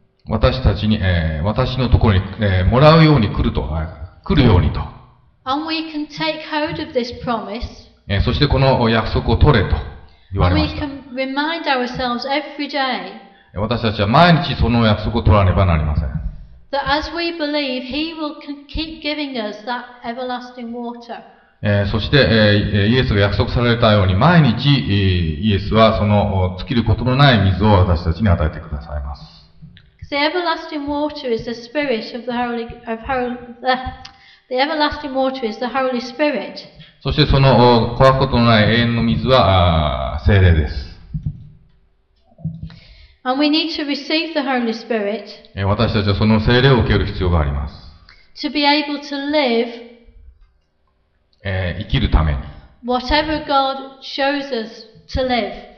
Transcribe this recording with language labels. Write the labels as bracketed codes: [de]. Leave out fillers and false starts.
[ja] 私たちに、私のところに、もらうように来ると、来るようにと。 [en] And we can take hold of this promise. [ja] そしてこの約束を取れと言われました。 [en] And we can remind ourselves every day. [ja] 私たちは毎日その約束を取らねばなりません。 [en] That as we believe, He will keep giving us that everlasting water. [ja] そして、イエスが約束されたように毎日、イエスはその尽きることのない水を私たちに与えてくださいます。 [en] The everlasting water is the spirit of the Holy of Holy. The everlasting water is the Holy Spirit. [ja] そしてその渇くことのない永遠の水は聖霊です。 [en] And we need to receive the Holy Spirit. [ja] 私たちはその聖霊を受ける必要があります。 [en] To be able to live. [ja] 生きるために。 [en] Whatever God shows us to live.